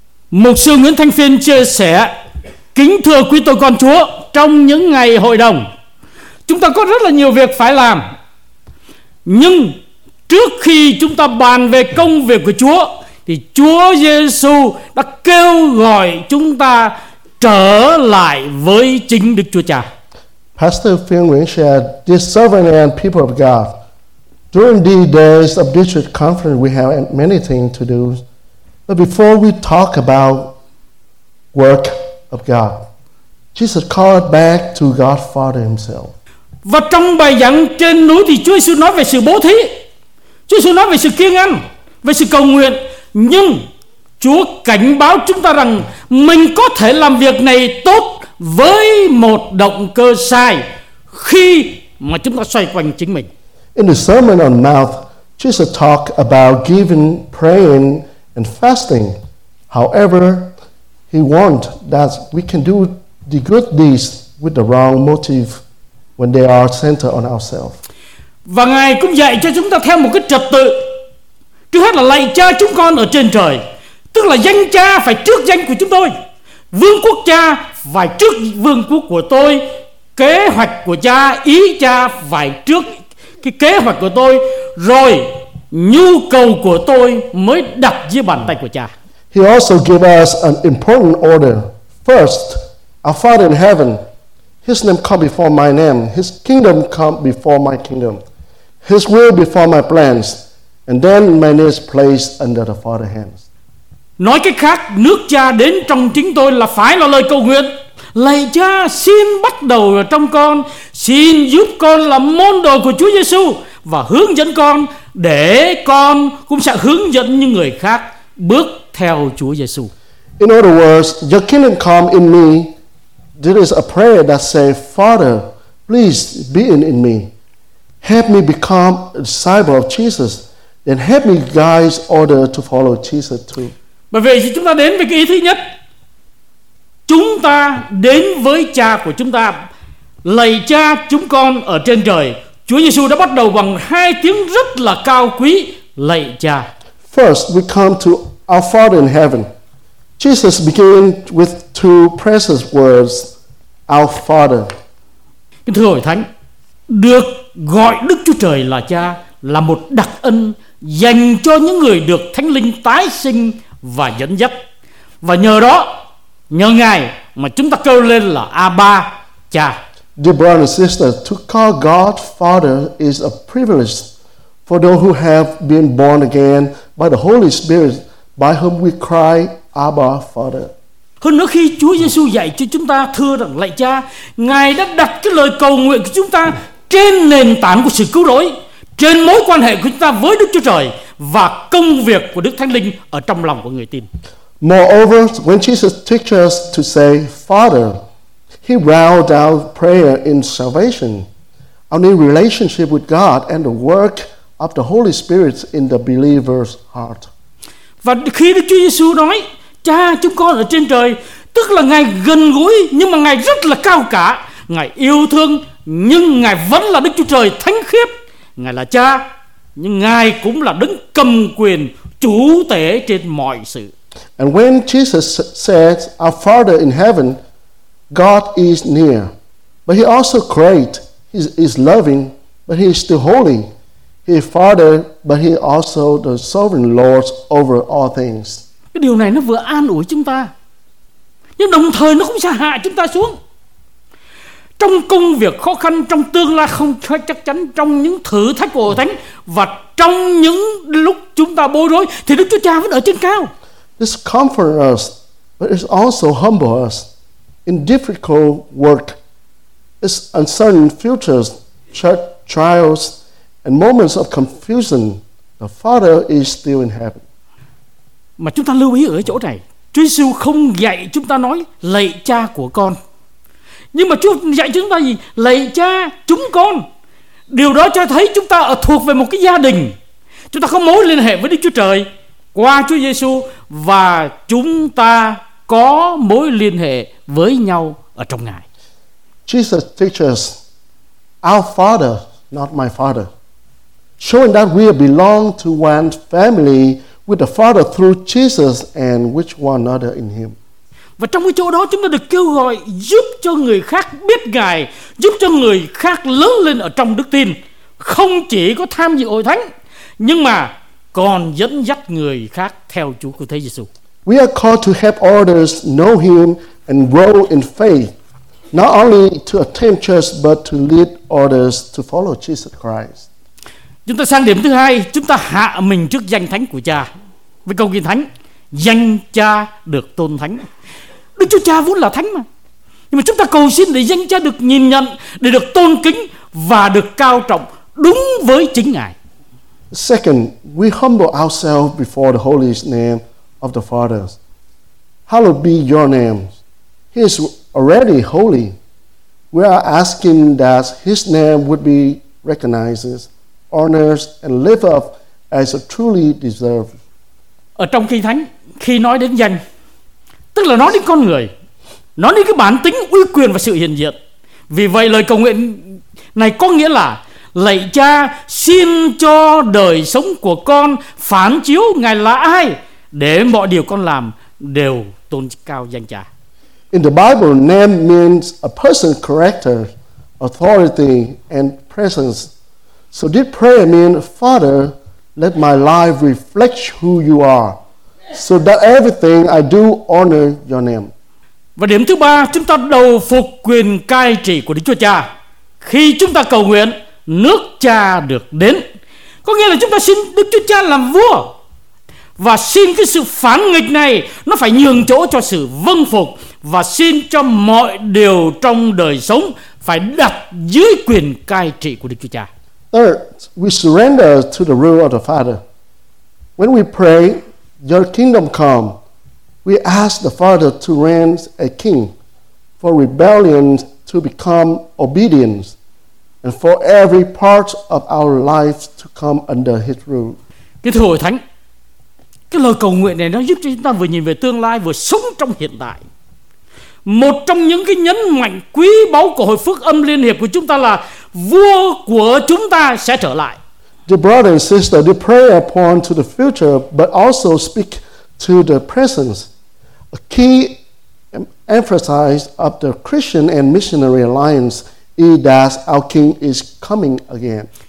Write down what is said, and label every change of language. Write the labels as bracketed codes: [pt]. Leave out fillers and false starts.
[vi] Mục sư Nguyễn Thanh Phiên chia sẻ: Kính thưa quý tôi con Chúa, trong những ngày hội đồng, chúng ta có rất là nhiều việc phải làm. Nhưng trước khi chúng ta bàn về công việc của Chúa, thì Chúa Giêsu đã kêu gọi chúng ta trở lại với chính Đức Chúa Cha. [en] Pastor Phiên Nguyễn shared, dear servant and people of God, during these days of district conference, we have many things to do. But before we talk about work of God, Jesus called back to God Father Himself. [vi] Và trong bài giảng trên núi thì Chúa Giêsu nói về sự bố thí, Chúa Giêsu nói về sự kiêng ăn, về sự cầu nguyện. Nhưng Chúa cảnh báo chúng ta rằng mình có thể làm việc này tốt với một động cơ sai khi mà chúng ta xoay quanh chính mình. [en] In the Sermon on Mount, Jesus talked about giving, praying, and fasting. However, he warned that we can do the good deeds with the wrong motive when they are centered on ourselves. [vi] Và Ngài cũng dạy cho chúng ta theo một cái trật tự. Trước hết là lạy Cha chúng con ở trên trời, tức là danh Cha phải trước danh của chúng tôi, vương quốc Cha phải trước vương quốc của tôi, kế hoạch của cha, ý cha phải trước cái kế hoạch của tôi, rồi nhu cầu của tôi mới đặt dưới bàn tay của cha. [en] He also gave us an important order. First, our Father in heaven, His name come before my name, His kingdom come before my kingdom, His will before my plans, and then my name is placed under the Father's hands. [vi] Nói cách khác, nước cha đến trong chính tôi là phải là lời cầu nguyện. Lạy cha, xin bắt đầu ở trong con, xin giúp con làm môn đồ của Chúa Giêsu và hướng dẫn con, để con cũng sẽ hướng dẫn những người khác bước theo Chúa Giêsu. [en] In other words, your kingdom come in me. This is a prayer that says, Father, please be in me. Help me become a disciple of Jesus. Then help me guide others to follow Jesus too. [vi] Bởi vì chúng ta đến với cái ý thứ nhất, chúng ta đến với cha của chúng ta. Lạy cha chúng con ở trên trời. Chúa Giêsu đã bắt đầu bằng hai tiếng rất là cao quý, lạy cha. [en] First, we come to our Father in heaven. Jesus began with two precious words, our Father. [vi] Kính thưa Hội Thánh, được gọi Đức Chúa Trời là cha là một đặc ân dành cho những người được Thánh Linh tái sinh và dẫn dắt. Và nhờ đó, nhờ Ngài mà chúng ta kêu lên là Abba, cha. [en] Dear brothers and sisters, to call God Father is a privilege for those who have been born again by the Holy Spirit, by whom we cry Abba, Father. [vi] Hơn nữa, khi Chúa Giêsu dạy cho chúng ta thưa rằng lạy cha, Ngài đã đặt cái lời cầu nguyện của chúng ta trên nền tảng của sự cứu rỗi, trên mối quan hệ của chúng ta với Đức Chúa Trời và công việc của Đức Thánh Linh ở trong lòng của người tin. [en] Moreover, when Jesus teaches us to say Father, He rounds out prayer in salvation, our new relationship with God and the work of the Holy Spirit in the believer's heart. [vi] Và khi Đức Chúa Giêsu nói cha chúng con ở trên trời, tức là Ngài gần gũi nhưng mà Ngài rất là cao cả, Ngài yêu thương nhưng Ngài vẫn là Đức Chúa Trời thánh khiết. Ngài là cha nhưng Ngài cũng là đấng cầm quyền chủ tể trên mọi sự. [en] And when Jesus says our Father in heaven, God is near, but He also great. He is loving, but He is still holy. He is Father, but He also the sovereign Lord over all things. [vi] Cái điều này nó vừa an ủi chúng ta, nhưng đồng thời nó cũng sẽ hạ chúng ta xuống. Trong công việc khó khăn, trong tương lai không chắc chắn, trong những thử thách của Hội Thánh và trong những lúc chúng ta bối rối, thì Đức Chúa Cha vẫn ở trên cao. [en] This comforts us, but it also humbles us. In difficult work, its uncertain futures, trials, and moments of confusion, the Father is still in heaven. [vi] Mà chúng ta lưu ý ở chỗ này, Chúa Giêsu không dạy chúng ta nói lạy cha của con, nhưng mà Chúa dạy chúng ta gì? Lạy cha chúng con. Điều đó cho thấy chúng ta ở thuộc về một cái gia đình, chúng ta có mối liên hệ với Đức Chúa Trời qua Chúa Giêsu, và chúng ta có mối liên hệ với nhau ở trong Ngài. [en] Jesus teaches our Father, not my Father, showing that we belong to one family with the Father through Jesus and with one another in Him. [vi] Và trong cái chỗ đó chúng ta được kêu gọi giúp cho người khác biết Ngài, giúp cho người khác lớn lên ở trong đức tin, không chỉ có tham dự Hội Thánh nhưng mà còn dẫn dắt người khác theo Chúa Cứu Thế Giêsu. [en] We are called to help others know Him and grow in faith, not only to attend church but to lead others to follow Jesus Christ. [vi] Chúng ta sang điểm thứ hai, chúng ta hạ mình trước danh thánh của Cha. Với câu kinh thánh, danh Cha được tôn thánh. Đức Chúa Cha vốn là thánh mà, nhưng mà chúng ta cầu xin để danh Cha được nhìn nhận, để được tôn kính và được cao trọng đúng với chính Ngài. [en] Second, we humble ourselves before the holy name of the Father. Hallowed be your name. He is already holy. We are asking that His name would be recognized, honored and lived up as it truly deserves. [vi] Ở trong Kinh Thánh, khi nói đến danh, tức là nói đến con người, nói đến cái bản tính, uy quyền và sự hiện diện. Vì vậy lời cầu nguyện này có nghĩa là lạy cha, xin cho đời sống của con phản chiếu Ngài là ai, để mọi điều con làm đều tôn cao danh cha. [en] In the Bible, name means a person's character. authority and presence. So did prayer mean, Father, let my life reflect who you are, so that everything I do honor your name. [vi] Và điểm thứ ba, chúng ta đầu phục quyền cai trị của Đức Chúa Cha. Khi chúng ta cầu nguyện, nước Cha được đến. Có nghĩa là chúng ta xin Đức Chúa Cha làm vua. Và xin cái sự phản nghịch này, nó phải nhường chỗ cho sự vâng phục. Và xin cho mọi điều trong đời sống phải đặt dưới quyền cai trị của Đức Chúa Cha. [en] Third, we surrender to the rule of the Father. When we pray, your kingdom come, we ask the Father to reign a king, for rebellion to become obedience, and for every part of our life to come under his rule. [vi] Kính thưa Hội Thánh, cái lời cầu nguyện này nó giúp cho chúng ta vừa nhìn về tương lai, vừa sống trong hiện tại. Một trong những cái nhấn mạnh quý báu của Hội Phước Âm Liên Hiệp của chúng ta là vua của chúng ta sẽ trở lại. [en] The brother and sister, they pray upon to the future, but also speak to the presence. A key emphasis of the Christian and missionary alliance is that our King is coming again.